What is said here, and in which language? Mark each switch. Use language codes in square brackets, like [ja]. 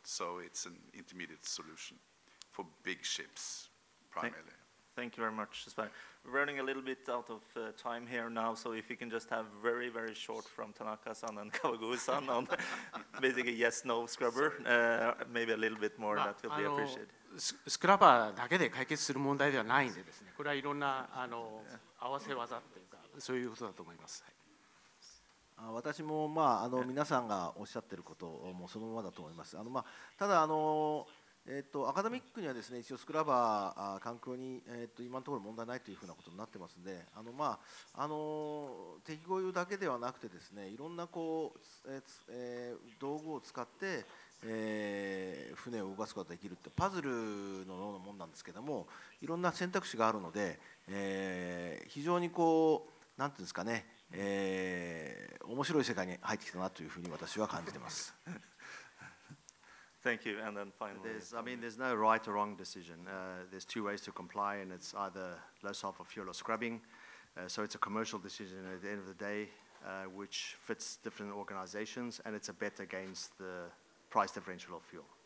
[en] So it's an intermediate solution for big ships, primarily. Thank you very much, Svenning. We're running a little bit out of time here now, so if you can just have very, very short from Tanaka-san and Kawagoe-san on basically yes, no scrubber, maybe a little bit more, that will be appreciated. [ja] Scrubber だけで解決する問題ではないんでですね、これはいろんな合わせ技というか、そういうことだと思います。私も、まあ、皆さんがおっしゃっていることもそのままだと思います。まあ、ただ、アカデミックにはですね、一応スクラバー環境に、今のところ問題ないというふうなことになってますので、まあ、適合油だけではなくてですね、いろんなこう、道具を使って、船を動かすことができるってパズルのようなものなんですけども、いろんな選択肢があるので、非常にこう、なんていうんですかね、面白い世界に入ってきたなというふうに私は感じています。 [en] Thank you. And then finally, there's no right or wrong decision. There's two ways to comply, and it's either low sulfur fuel or scrubbing. So it's a commercial decision at the end of the day, which fits different organizations, and it's a bet against the price differential of fuel.